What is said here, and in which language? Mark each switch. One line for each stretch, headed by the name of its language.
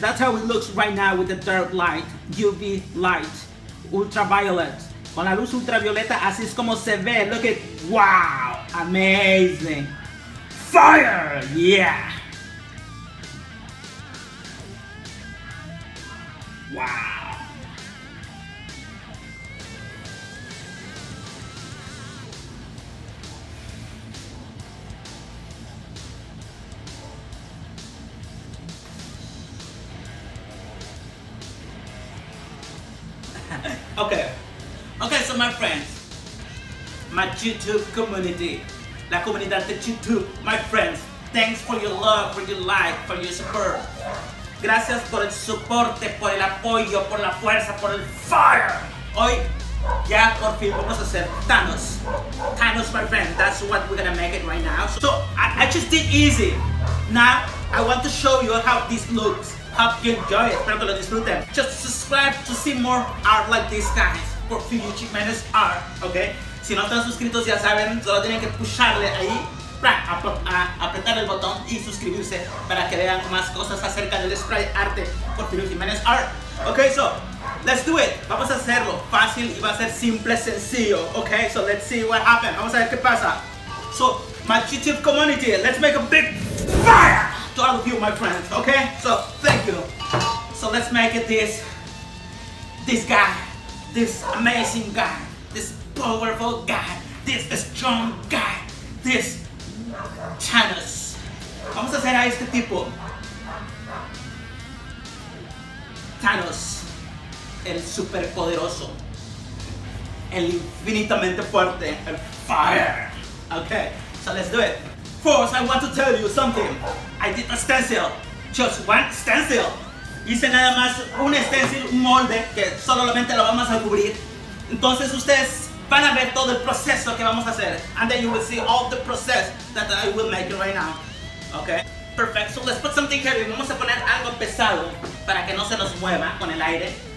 English: That's how it looks right now with the third light, UV light, ultraviolet.
Spanish: Con la luz ultravioleta, así es como se ve.
English: Look at, wow, amazing. Fire, yeah. Wow. Okay, so my friends, my YouTube community,
Spanish: la comunidad de YouTube,
English: my friends, thanks for your love, for your like, for your support.
Spanish: Gracias por el soporte, por el apoyo, por la fuerza, por el fire. Hoy, ya por fin vamos a hacer Thanos.
English: Thanos, my friend, that's what we're gonna make it right now. So, I just did easy. Now, I want to show you how this looks. Hope you enjoy it.
Spanish: Espero que lo disfruten.
English: Just subscribe to see more art like this, guys. For future Menace art, okay?
Spanish: Si no están suscritos, ya saben, solo tienen que pusharle ahí. Apretar el botón y suscribirse para que vean más cosas acerca del spray arte por Pino Jiménez Art.
English: Ok, so, let's do it.
Spanish: Vamos a hacerlo fácil y va a ser simple, sencillo.
English: Ok, so let's see what happens.
Spanish: Vamos a ver qué pasa.
English: So, my YouTube community, let's make a big fire to all of you, my friends. Ok, so, thank you. So, let's make it this guy, this amazing guy, this powerful guy, this strong guy, this Thanos.
Spanish: Vamos a hacer a este tipo Thanos, el superpoderoso, el infinitamente fuerte, el fire.
English: Okay, so let's do it. First, I want to tell you something. I did a stencil, just one stencil.
Spanish: Hice nada más un stencil, un molde que solamente lo vamos a cubrir. Entonces ustedes van a ver todo el proceso que vamos a hacer.
English: And then you will see all the process that I will make right now. Okay? Perfect. So let's put something heavy.
Spanish: Vamos a poner algo pesado para que no se nos mueva con el aire.